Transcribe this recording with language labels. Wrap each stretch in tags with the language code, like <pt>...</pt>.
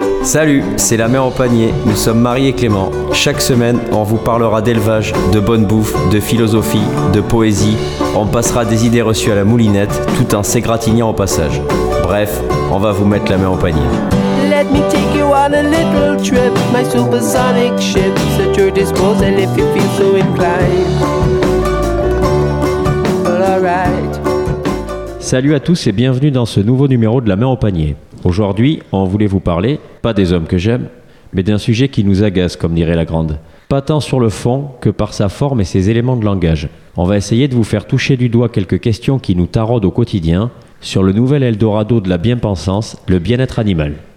<fr>Salut, c'est la mère au panier, nous sommes Marie et Clément. Chaque semaine, on vous parlera d'élevage, de bonne bouffe, de philosophie, de poésie. On passera des idées reçues à la moulinette, tout en s'égratignant au passage. Bref, on va vous mettre la mère au panier.</fr> <en>Let me take you on a little trip, my supersonic ship. At your disposal if you feel so inclined. But alright.</en> <fr>Salut à tous et bienvenue dans ce nouveau numéro de La Main au Panier. Aujourd'hui, on voulait vous parler, pas des hommes que j'aime, mais d'un sujet qui nous agace, comme dirait la grande. Pas tant sur le fond que par sa forme et ses éléments de langage. On va essayer de vous faire toucher du doigt quelques questions qui nous taraudent au quotidien sur le nouvel Eldorado de la bien-pensance, le bien-être animal.</fr>